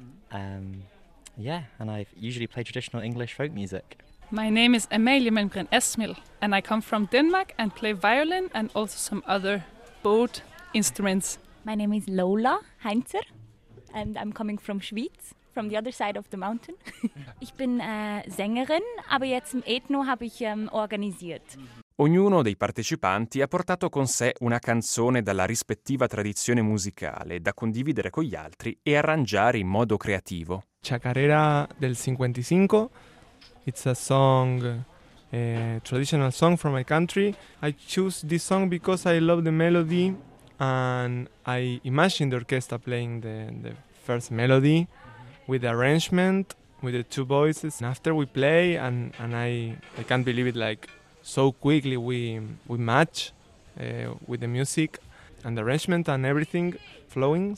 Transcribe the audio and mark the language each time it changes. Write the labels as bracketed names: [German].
[English] And I usually play traditional English folk music. My name is Amalie Melmgren Esmil, and I come from Denmark and play violin and also some other boat instruments. My name is Lola Heinzer, and I'm coming from Schwyz. From the other side of the mountain. [German] Ich bin Sängerin, aber jetzt im Ethno habe ich organisiert. [Italian] Ognuno dei partecipanti ha portato con sé una canzone dalla rispettiva tradizione musicale da condividere con gli altri e arrangiare in modo creativo. [Spanish] Chacarera del 55. [English] It's a song, a traditional song from my country. I choose this song because I love the melody and I imagine the orchestra playing the first melody. With the arrangement, with the two voices, and after we play, and I can't believe it, like so quickly we match with the music and the arrangement and everything flowing.